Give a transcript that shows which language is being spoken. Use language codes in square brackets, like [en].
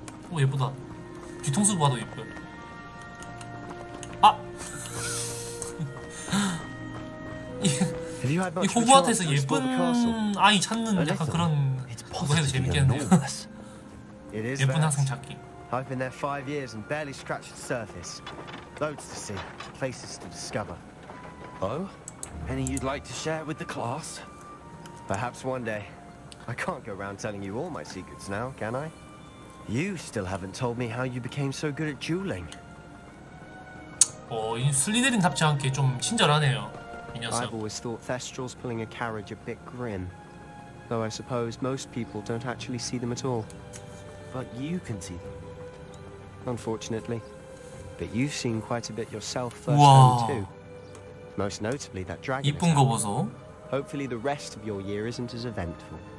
[ko] 오 예쁘다. 뒤통수 봐도 예뻐. 아! 이 호그와트에서 예쁜 아이 찾는 약간 그런 거 해도 재밌겠네요. 예쁜 항상 찾기. [en] I've been there 5 years and barely scratched the surface. Loads to see, places to discover. Oh? Any you'd like to share with the class? Perhaps one day. I can't go around telling you all my secrets now, can I? You still haven't told me how you became so good at dueling. [ko] 오, 이 슬리데린 답지 않게 좀 친절하네요. 이 녀석. [en] I've always thought Thestrals pulling a carriage a bit grim. Though I suppose most people don't actually see them at all. But you can see them. Unfortunately, but you've seen quite a bit yourself firsthand too. Most notably that dragon. [ko] 이쁜 거 보소. [en] Hopefully the rest of your year isn't as eventful.